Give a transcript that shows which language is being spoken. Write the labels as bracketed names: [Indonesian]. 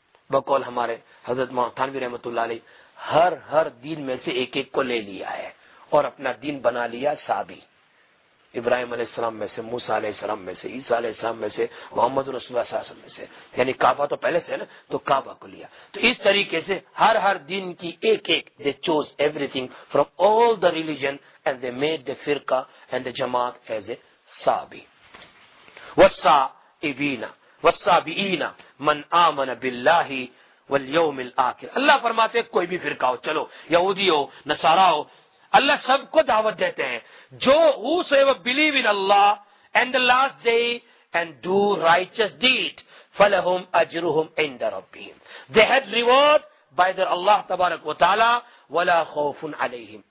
[Urdu] بقول ہمارے حضرت مولانا تھانوی رحمتہ اللہ علیہ, ہر دین میں سے ایک ایک کو لے لیا ہے اور اپنا دین بنا لیا صابی, ابراہیم علیہ السلام میں سے, موسیٰ علیہ السلام میں سے, عیسیٰ علیہ السلام میں سے, محمد رسول اللہ صلی اللہ علیہ وسلم میں سے, یعنی کعبہ تو پہلے سے ہے نا, تو کعبہ کو لیا. تو اس طریقے سے ہر دین کی ایک ایک, [English] They choose everything from all the religion and they made the فرقہ and the جماعت as a صابی. [Arabic] والصابئین من آمن باللہ والیوم الآخر, [Urdu] اللہ فرماتے ہیں کوئی بھی فرقہ ہو, چلو یہودی ہو نصارہ ہو, اللہ سب کو دعوت دیتے ہیں, جو [English] believe in Allah and the last day and do righteous deed [Arabic] فلہم اجرہم عند ربہم, [English] they had reward by their اللہ [Urdu] تبارک و تعالی, [Arabic] ولا خوف علیہم.